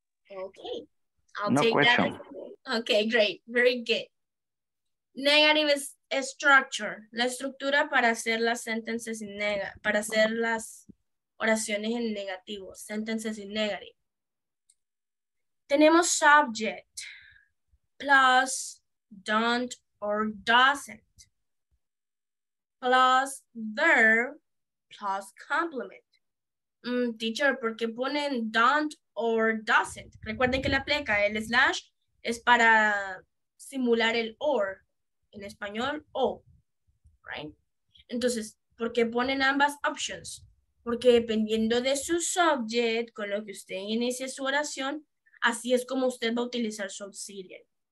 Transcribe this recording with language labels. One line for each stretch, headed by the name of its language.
English: Okay. I'll take that. Okay, great. Very good. Negative structure.
Spanish: La estructura para hacer las
English: sentences in negative,
Spanish: para hacer las oraciones en negativo, sentences in negative. Tenemos
English: subject plus don't or doesn't plus verb plus complement.
Spanish: Teacher, ¿por qué ponen
English: don't or doesn't?
Spanish: Recuerden que la pleca, el slash, es para simular el or, en español, o, right? Entonces, ¿por qué ponen ambas options? Porque dependiendo de su subject, con lo que usted inicie su oración, así es como usted va a utilizar su auxiliary.